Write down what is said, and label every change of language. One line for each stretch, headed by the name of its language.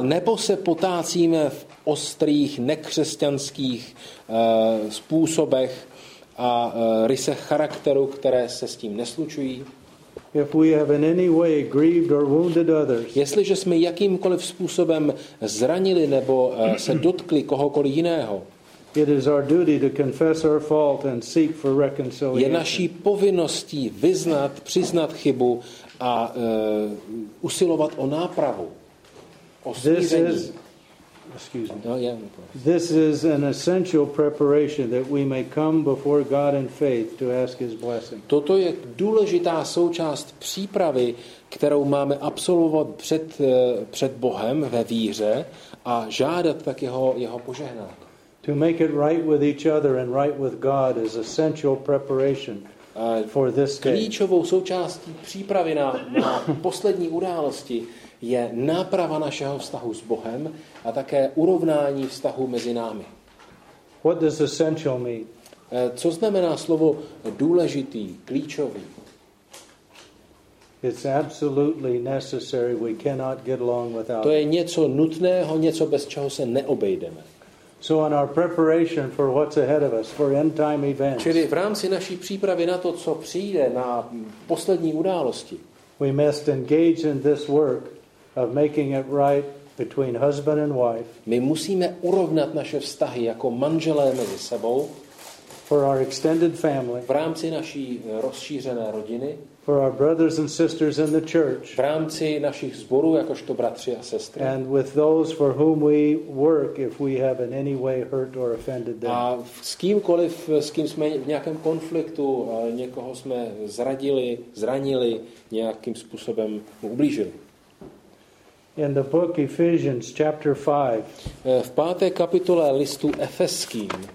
Czech: A nebo se potácíme v ostrých, nekřesťanských způsobech a rysech charakteru, které se s tím neslučují?
English: If we have in any way grieved or wounded others.
Czech: Jestliže jsme jakýmkoliv způsobem zranili nebo se dotkli kohokoliv jiného.
English: It is our duty to confess our fault and seek for reconciliation.
Czech: Je naší povinností vyznat, přiznat chybu a usilovat o nápravu. O smíření.
English: This is excuse me. Oh, yeah, of course. This is an essential preparation that we may come before God in faith to ask His blessing.
Czech: Toto je důležitá součást přípravy, kterou máme absolvovat před Bohem ve víře a žádat tak jeho požehnání.
English: To make it right with each other and right with God is essential preparation for this day.
Czech: Klíčovou součástí přípravy na poslední události je náprava našeho vztahu s Bohem a také urovnání vztahu mezi námi.
English: What does essential mean?
Czech: Co znamená slovo důležitý, klíčový?
English: It's absolutely necessary. We cannot get along without.
Czech: To je něco nutného, něco bez čeho se neobejdeme.
English: So on our preparation for what's ahead of us for end time events.
Czech: Čili v rámci naší přípravy na to, co přijde na poslední události.
English: We must engage in this work of making it right between husband and wife.
Czech: My musíme urovnat naše vztahy jako manželé mezi sebou.
English: For our extended family.
Czech: V rámci naší rozšířené rodiny.
English: For our brothers and sisters in the church.
Czech: V rámci našich sborů jakožto bratři a sestry.
English: And with those for whom we work if we have in any way hurt or offended them.
Czech: A s kýmkoliv, s kým jsme v nějakém konfliktu, někoho jsme zranili, nějakým způsobem ublížili.
English: In the book Ephesians chapter 5.
Czech: V páté kapitole listu Efeským.